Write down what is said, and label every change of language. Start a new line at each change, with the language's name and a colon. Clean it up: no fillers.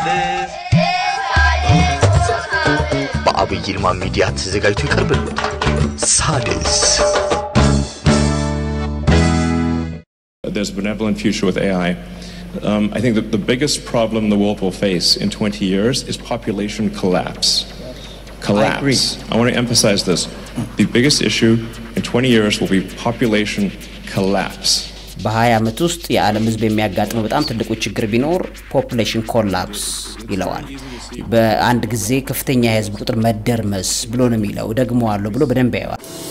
Amharic: ሳድስ በአቢይ ይልማ ሚዲያ ተዘጋጅቶ ይቀርብልዎታል። ሳድስ
English: There's a benevolent future with AI. I think that the biggest problem the world will face in 20 years is population collapse. I agree. I want to emphasize this. The biggest issue in 20 years will be population collapse.
Amharic: በሃያ አመት ውስጥ የዓለም ህዝብ የሚያጋጥመው በጣም ትልቁ ችግር ቢኖር population collapse ይለዋል። በአንድ ጊዜ ከፍተኛ የህዝብ ቁጥር መደርመስ ብሎ ነው የሚለው ደግሞ አለ ብሎ በደንብ ያዋል።